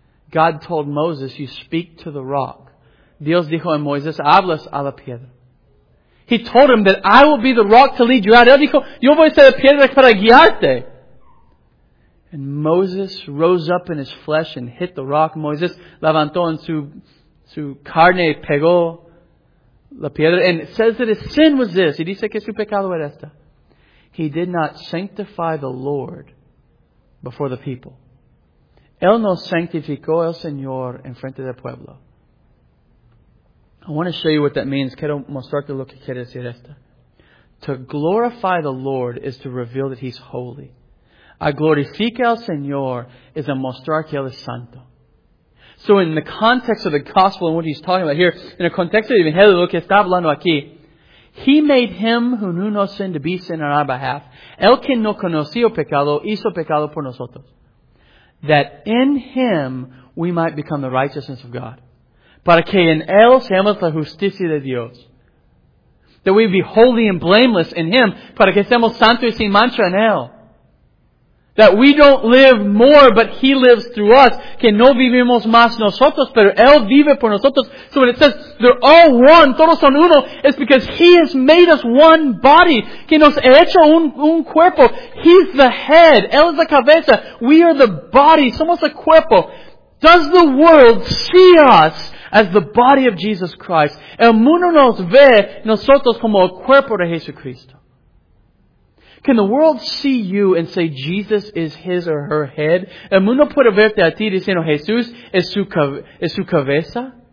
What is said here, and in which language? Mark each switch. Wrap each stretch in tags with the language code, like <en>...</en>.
<en>God told Moses, you speak to the rock.</en> <es>Dios dijo a Moisés, hablas a la piedra.</es> <en>He told him that I will be the rock to lead you out.</en> <es>Él dijo, yo voy a ser la piedra para guiarte.</es> <en>And Moses rose up in his flesh and hit the rock.</en> <es>Moisés levantó en su carne y pegó la piedra.</es> <en>And it says that his sin was this.</en> <es>Y dice que su pecado era esta.</es> <en>He did not sanctify the Lord before the people.</en> <es>Él no santificó el Señor en frente del pueblo.</es> <en>I want to show you what that means.</en> <es>Quiero mostrarte lo que quiere decir esto.</es> <en>To glorify the Lord is to reveal that He's holy.</en> <es>A glorificar al Señor is a mostrar que Él es santo.</es> <en>So in the context of the gospel and what He's talking about here, in the context of the Evangelio,</en> <es>lo que está hablando aquí,</es> <en>He made Him who knew no sin to be sin on our behalf.</en> <es>El que no conoció pecado, hizo pecado por nosotros.</es> <en>That in Him we might become the righteousness of God.</en> <es>Para que en Él seamos la justicia de Dios.</es> <en>That we be holy and blameless in Him.</en> <es>Para que seamos santos y sin mancha en Él.</es> <en>That we don't live more, but He lives through us.</en> <es>Que no vivimos más nosotros, pero Él vive por nosotros.</es> <en>So when it says, they're all one,</en> <es>todos son uno,</es> <en>it's because He has made us one body.</en> <es>Que nos ha hecho un cuerpo.</es> <en>He's the head.</en> <es>Él es la cabeza.</es> <en>We are the body.</en> <es>Somos el cuerpo.</es> <en>Does the world see us as the body of Jesus Christ?</en> <es>El mundo nos ve nosotros como el cuerpo de Jesucristo.</es> <en>Can the world see you and say Jesus is his or her head?</en> <es>El mundo puede verte a ti diciendo Jesús es su cabeza.</es>